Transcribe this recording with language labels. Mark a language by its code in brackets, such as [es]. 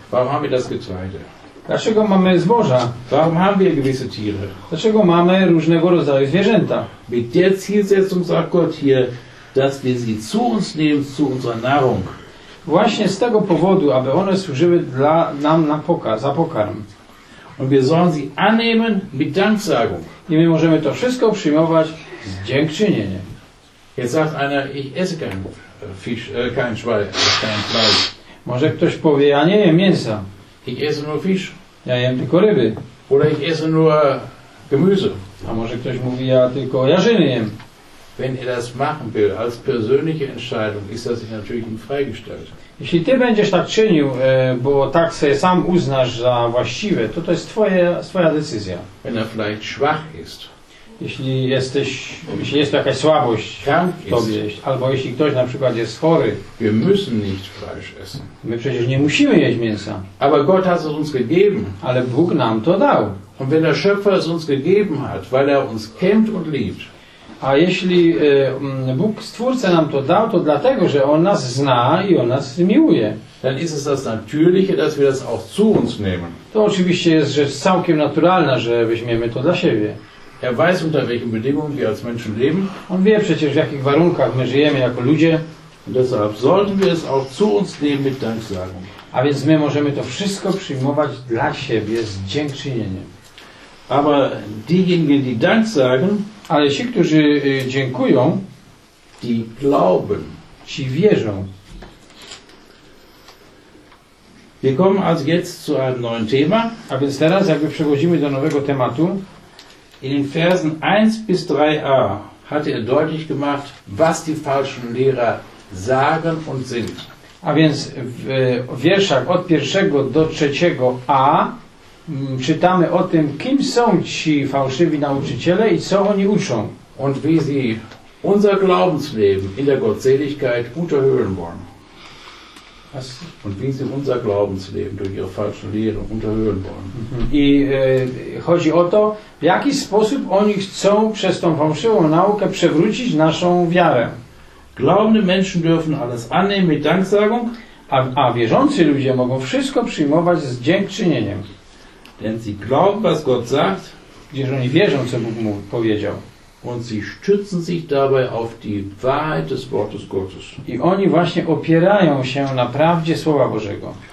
[de] Warum haben wir das Getreide? [pl] Dlaczego mamy zboża? [de] Warum haben wir gewisse Tiere? [pl] Dlaczego mamy różnego rodzaju zwierzęta? [de] Mit der Zielsetzung sagt Gott hier, dass wir sie zu uns nehmen, zu unserer Nahrung. [pl] Właśnie z tego powodu, aby one służyły dla nam na pokarm, za pokarm. [de] Und wir sollen sie annehmen mit Danksagung. [pl] I my możemy to wszystko przyjmować z dziękczynieniem. [de] Jetzt sagt einer, ich esse kein Fisch, kein Schwein, kein Fleisch. [pl] Może ktoś powie, ja nie jem mięsa. [de] Ich esse nur Fisch. [pl] Ja jem tylko ryby. [de] Oder ich esse nur Gemüse. [pl] A może ktoś mówi, ja tylko jarzyny jem. [de] Wenn er das machen will, als persönliche Entscheidung, ist das sich natürlich ihm freigestellt. [pl] Jeśli ty będziesz tak czynił, bo tak sobie sam uznasz za właściwe, to to jest twoja decyzja. [de] Wenn er vielleicht schwach ist. [pl] Jeśli jest to jakaś słabość w tobie, albo jeśli ktoś na przykład jest chory, [de] wir müssen nicht Fleisch essen. [pl] My przecież nie musimy jeść mięsa. [de] Aber Gott hat es uns gegeben. [pl] Ale Bóg nam to dał. [de] Und wenn der Schöpfer es uns gegeben hat, weil er uns kennt und liebt. [pl] A jeśli Bóg Stwórca nam to dał, to dlatego, że On nas zna i On nas miłuje. [de] Dann ist es das Natürliche, dass wir das auch zu uns nehmen. [pl] To oczywiście jest rzecz całkiem naturalna, że weźmiemy to dla siebie. [de] Er weiß, unter welchen Bedingungen wir als Menschen leben. [pl] On wie przecież, w jakich warunkach my żyjemy jako ludzie. [de] Und deshalb sollten wir es auch zu uns nehmen mit Danksagung. [pl] A więc my możemy to wszystko przyjmować dla siebie z dziękczynieniem. [de] Aber diejenigen, die Dank sagen, [pl] ale ci, którzy dziękują, [de] die glauben, [pl] ci wierzą. [de] Wir kommen also jetzt zu einem neuen Thema. [pl] A więc teraz jakby przechodzimy do nowego tematu. [de] In den Versen 1 bis 3a hat er deutlich gemacht, was die falschen Lehrer sagen und sind. [pl] A więc w wierszach od 1 do 3 a czytamy o tym, kim są ci fałszywi nauczyciele i co oni uczą. [de] Und wie sie unser Glaubensleben in der Gottseligkeit unterhöhlen wollen. Was? Und wie sie unser Glaubensleben durch ihre falsche Lehre unterhöhlen wollen. [pl] I chodzi o to, w jaki sposób oni chcą przez tą fałszywą naukę przewrócić naszą wiarę. [de] Glaubende Menschen dürfen alles annehmen mit Danksagung. [pl] A wierzący ludzie mogą wszystko przyjmować z dziękczynieniem. [de] Denn sie glauben, was Gott sagt. [pl] Gdyż oni wierzą, co Bóg mu powiedział. [de] Und sie stützen sich dabei auf die Wahrheit des Wortes Gottes. [pl] I oni właśnie opierają się na prawdzie Słowa Bożego.